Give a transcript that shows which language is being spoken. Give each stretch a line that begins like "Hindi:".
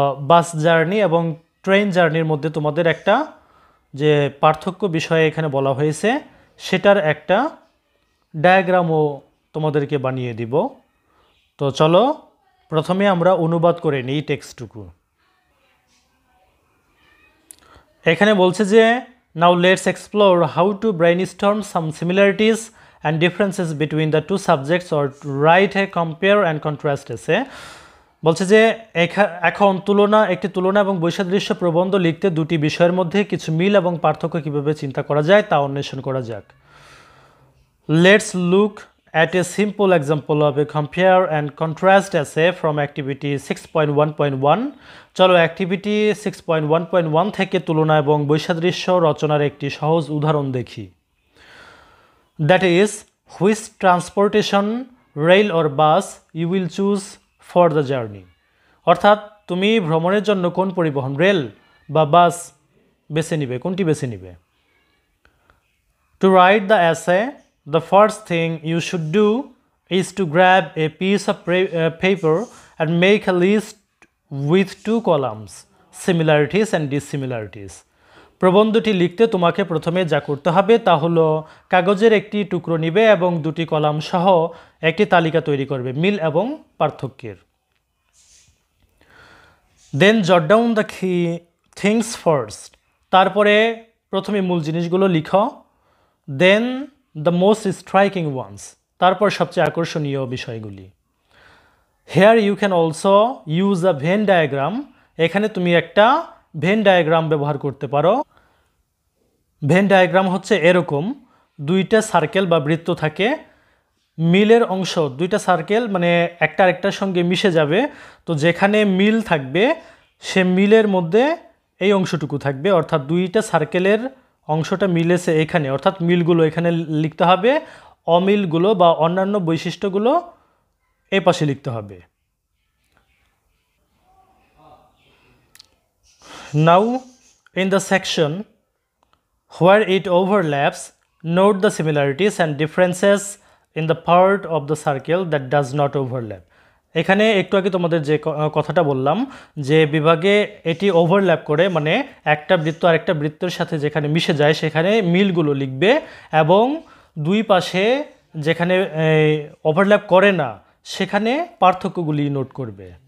Bangla: Bus journey এবং train জার্নির মধ্যে তোমাদের একটা যে পার্থক্য বিষয়ে এখানে বলা হয়েছে সেটার একটা ডায়াগ্রামও তোমাদেরকে বানিয়ে দিব। তো চলো প্রথমে আমরা অনুবাদ করে নিই টেক্সটটুকু। এখানে বলছে যে
English: Now let's explore how to brainstorm some similarities and differences between the two subjects or write a compare and contrast essay.
Bangla: বলছে যে এখন তুলনা, একটি তুলনা এবং বৈসাদৃশ্য প্রবন্ধ লিখতে দুটি বিষয়ের মধ্যে কিছু মিল এবং পার্থক্য কীভাবে চিন্তা করা যায় তা অন্বেষণ করা যাক।
English: Let's look at a simple example of a compare and contrast essay from activity 6.1.1.
Bangla: চলো অ্যাক্টিভিটি 6.1.1 থেকে তুলনা এবং বৈসাদৃশ্য রচনার একটি সহজ উদাহরণ দেখি।
English: That is, which transportation, rail or bus, you will choose for the journey.
Bangla: অর্থাৎ তুমি ভ্রমণের জন্য কোন পরিবহন, রেল বা বাস বেছে নিবে, কোনটি বেছে নিবে।
English: To write the essay, the first thing you should do is to grab a piece of paper and make a list with two columns, similarities and dissimilarities.
Bangla: প্রবন্ধটি লিখতে তোমাকে প্রথমে যা করতে হবে তা হলো কাগজের একটি টুকরো নিবে এবং দুটি কলাম সহ একটি তালিকা তৈরি করবে মিল এবং পার্থক্যের।
English: then jot down the key things first,
Bangla: তারপরে প্রথমে মূল জিনিসগুলো লিখ।
English: then the most striking ones,
Bangla: তারপর সবচেয়ে আকর্ষণীয় বিষয়গুলি।
English: here you can also use a Venn diagram,
Bangla: এখানে তুমি একটা ভেন ডায়াগ্রাম ব্যবহার করতে পারো। ভেন ডায়াগ্রাম হচ্ছে এরকম, দুইটা সার্কেল বা বৃত্ত থাকে, মিলের অংশ দুইটা সার্কেল মানে একটা আরেকটার সঙ্গে মিশে যাবে, তো যেখানে মিল থাকবে সে মিলের মধ্যে এই অংশটুকু থাকবে, অর্থাৎ দুইটা সার্কেলের অংশটা মিলেছে এখানে, অর্থাৎ মিলগুলো এখানে লিখতে হবে, অমিলগুলো বা অন্যান্য বৈশিষ্ট্যগুলো এ পাশে লিখতে হবে।
English: Now, in the section where it overlaps, note the similarities and differences in the part of the circle that does not overlap.
Bangla: এখানে একটু আগে তোমাদের যে কথাটা বললাম যে বিভাগে এটি ওভারল্যাপ করে, মানে একটা বৃত্ত আর একটা বৃত্তের সাথে যেখানে মিশে যায় সেখানে মিলগুলো লিখবে, এবং দুই পাশে যেখানে ওভারল্যাপ করে না সেখানে পার্থক্যগুলি নোট করবে।